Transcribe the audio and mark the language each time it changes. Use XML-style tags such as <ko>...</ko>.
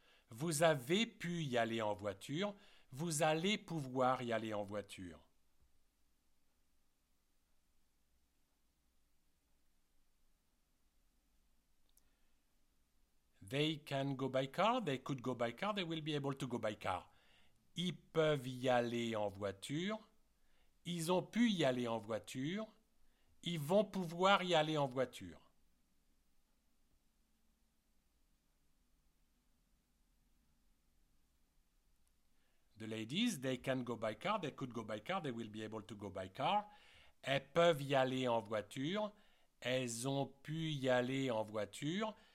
<fr>Vous avez pu y aller en voiture. Vous allez pouvoir y aller en voiture.</fr> <en>They can go by car, they could go by car, they will be able to go by car.</en> <fr>Ils peuvent y aller en voiture, ils ont pu y aller en voiture, ils vont pouvoir y aller en voiture.</fr> <en>The ladies, they can go by car, they could go by car, they will be able to go by car.</en> <fr>Elles peuvent y aller en voiture, elles ont pu y aller en voiture.</fr>